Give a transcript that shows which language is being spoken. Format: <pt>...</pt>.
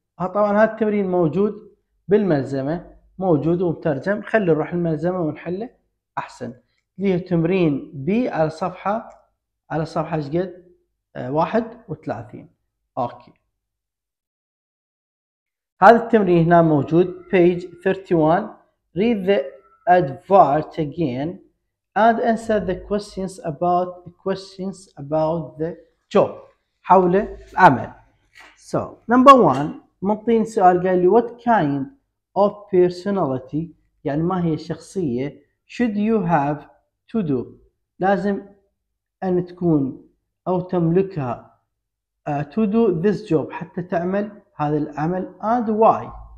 <ar>طبعا هذا التمرين موجود بالملزمة، موجود ومترجم، خلي نروح الملزمة ونحله أحسن. ليه تمرين B على صفحة شقد 31. Okay. هذا التمرين هنا موجود page 31.</ar> <en>Read the advert again and answer the questions about the job.</en> <ar>حول العمل.</ar> <en>So number one</en> <ar>مطين سؤال قال لي</ar> <en>what kind of personality،</en> <ar>يعني ما هي الشخصية</ar> <en>should you have to do،</en> <ar>لازم أن تكون أو تملكها</ar> <en>to do this job،</en> <ar>حتى تعمل هذا العمل،</ar> <en>and why.</en>